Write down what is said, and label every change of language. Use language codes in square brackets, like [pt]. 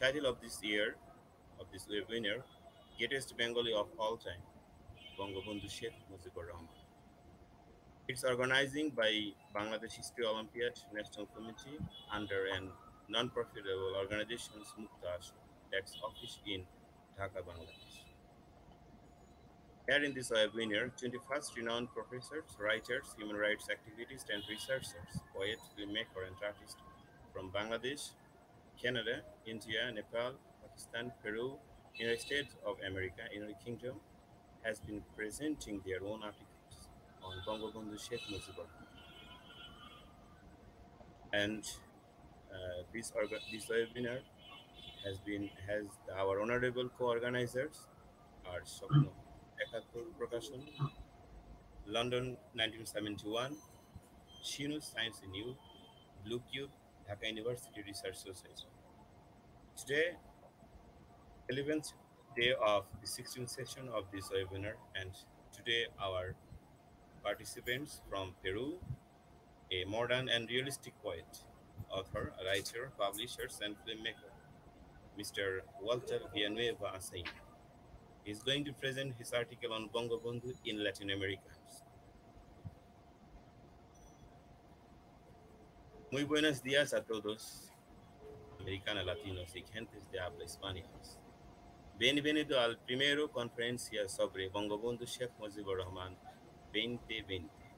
[en] Title of this year of this webinar greatest Bengali of all time Bangabandhu Sheikh Mujibur Rahman. It's organising by Bangladesh history olympiad national committee under and non profitable organisation Mukto Ashor that's office in Dhaka Bangladesh. Here in this webinar, 21st renowned professors, writers, human rights activists and researchers, poets, filmmakers and artists from Bangladesh, Canada, India, Nepal, Pakistan, Peru, United States of America, United Kingdom has been presenting their own articles on Bangabandhu Sheikh Mujibur Rahman. And this webinar has our honorable co-organizers are Sopno 71 Prakashan, London 1971, সিনু science in you, blue cube, Dhaka university research society. Today 11th day of the 16th session of this webinar and today our participants from Peru, a modern and realistic poet, author, writer, publishers and film maker mister Walter Villanueva Asaya. He's going to present his article on Bangabandhu in Latin America. [es] Muy buenos días a todos, americanos, latinos y gentes de habla españoles. Bienvenido al primero conferencia sobre Bangabandhu Sheikh Mujibur Rahman 2020.